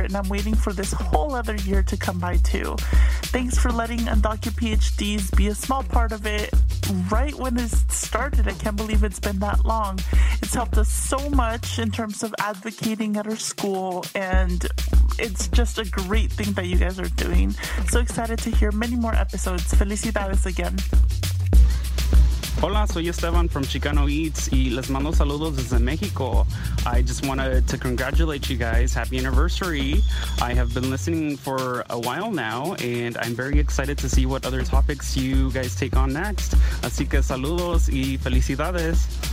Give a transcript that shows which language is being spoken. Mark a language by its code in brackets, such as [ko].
[en] And I'm waiting for this whole other year to come by too. Thanks for letting Undocumented PhDs be a small part of it right when it started. I can't believe it's been that long. It's helped us so much in terms of advocating at our school. And it's just a great thing that you guys are doing. So excited to hear many more episodes. [es] Felicidades [en] again. [es] Hola, soy Esteban from Chicano Eats y les mando saludos desde México. [en] I just wanted to congratulate you guys. Happy anniversary. I have been listening for a while now and I'm very excited to see what other topics you guys take on next. [es] Así que saludos y felicidades.